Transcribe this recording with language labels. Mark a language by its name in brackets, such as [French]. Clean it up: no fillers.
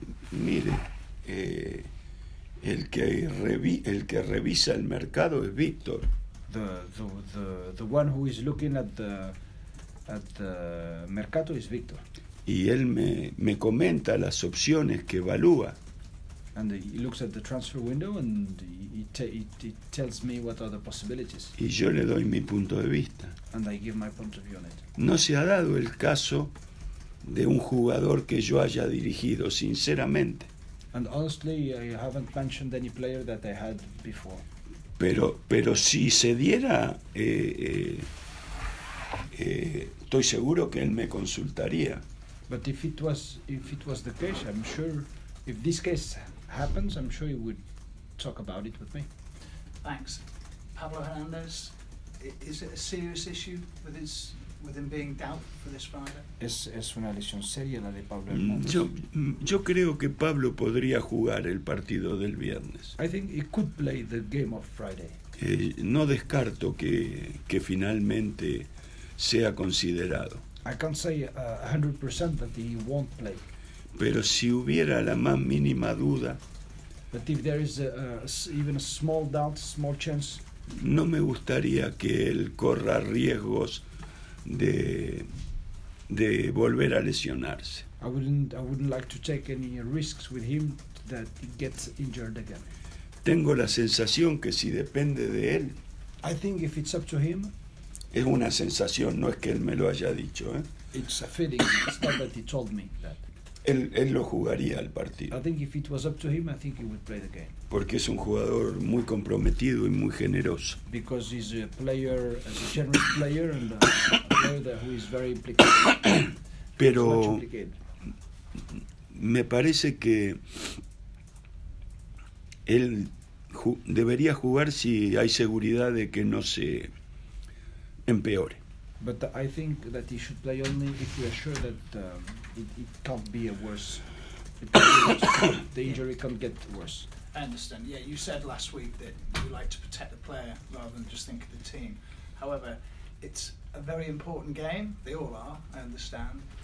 [Spanish] Mire, el que revisa el mercado es Víctor. [English] The one who is looking at the mercado is Víctor. [Spanish] Y él me comenta las opciones que evalúa. [English] And he looks at the transfer window and he tells me what are the possibilities. [Spanish] Y yo le doy mi punto de vista. [English] And I give my point of view on it. [Spanish] No se ha dado el caso de un jugador que yo haya dirigido, sinceramente. [English] And honestly, I haven't mentioned any player that I had before. [Spanish] Pero si se diera, estoy seguro que él me consultaría. [English] But if it was the case, I'm sure if this case happens, I'm sure you would talk about it with me. Thanks. Pablo Hernandez, is it a serious issue with him being doubt for this Friday? [Spanish] Es una lesión seria la de Pablo Hernandez. Yo creo que Pablo podría jugar el partido del viernes. [English] I think he could play the game of Friday. [Spanish] No descarto que finalmente sea considerado. [English] I can't say 100% that he won't play. [Spanish] Pero si hubiera la más mínima duda, [English] but if there is even a small doubt, small chance, [Spanish] no me gustaría que él corra riesgos de volver a lesionarse. [English] I wouldn't like to take any risks with him that he gets injured again. [Spanish] Tengo la sensación que si depende de él, [English] I think if it's up to him, [Spanish] es una sensación, no es que él me lo haya dicho, ¿eh? [English] It's a feeling, it's not that he told me that. [Spanish] Él lo jugaría al partido. [English] I think if it was up to him, I think he would play the game. [Spanish] Porque es un jugador muy comprometido y muy generoso. [English] Because he's a player, as a generous player, and a player that who is very implicated. [Spanish] Pero me parece que él debería jugar si hay seguridad de que no se empeore. [English] But I think that he should play only if we are sure that it can't be a worse. The injury, yeah, can't get worse. I understand. Yeah, you said last week that you like to protect the player rather than just think of the team. However, it's a very important game. They all are, I understand.